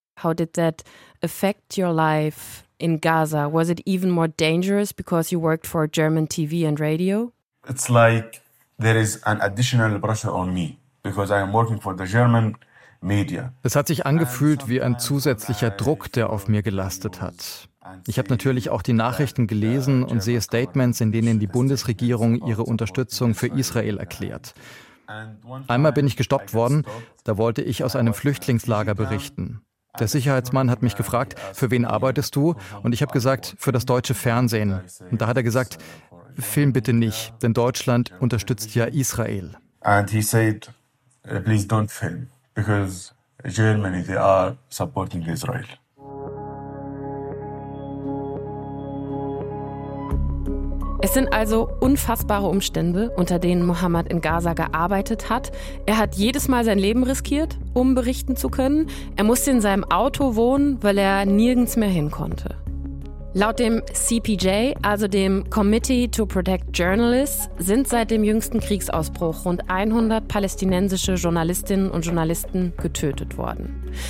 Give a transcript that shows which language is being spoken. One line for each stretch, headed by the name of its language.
English: How did that affect your life in Gaza? Was it even more dangerous because you worked for German TV and radio? It's like there is an additional pressure on me because I am working for the German media.
German: Es hat sich angefühlt wie ein zusätzlicher Druck, der auf mir gelastet hat. Ich habe natürlich auch die Nachrichten gelesen und sehe Statements, in denen die Bundesregierung ihre Unterstützung für Israel erklärt. Einmal bin ich gestoppt worden, da wollte ich aus einem Flüchtlingslager berichten. Der Sicherheitsmann hat mich gefragt, für wen arbeitest du? Und ich habe gesagt, für das deutsche Fernsehen. Und da hat er gesagt, film bitte nicht, denn Deutschland unterstützt ja Israel.
English: And he said, please don't film, because Germany, they are supporting Israel.
German: Es sind also unfassbare Umstände, unter denen Mohammed in Gaza gearbeitet hat. Er hat jedes Mal sein Leben riskiert, um berichten zu können. Er musste in seinem Auto wohnen, weil er nirgends mehr hin konnte. Laut dem CPJ, also dem Committee to Protect Journalists, sind seit dem jüngsten Kriegsausbruch rund 100 palästinensische Journalistinnen und Journalisten getötet worden.